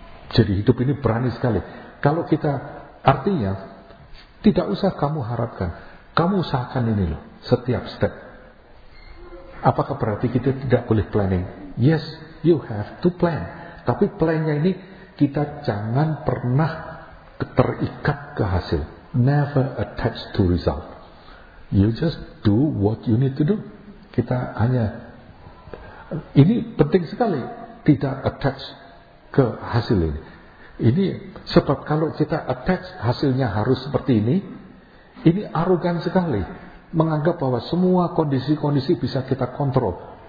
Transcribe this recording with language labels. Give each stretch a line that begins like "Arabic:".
Indonesian: Jadi hidup ini berani sekali. Kalau kita, artinya tidak usah kamu harapkan, kamu usahakan ini loh, setiap step. Apakah berarti kita tidak boleh planning?
English: Yes, you have to plan.
Indonesian: Tapi plannya ini kita jangan pernah terikat ke hasil.
English: Never attached to result. You just do what you need to do.
Indonesian: Kita hanya, ini penting sekali, tidak attach ke hasil ini. Ini sebab kalau kita attach hasilnya harus seperti ini arogan sekali, menganggap bahwa semua kondisi-kondisi bisa kita kontrol.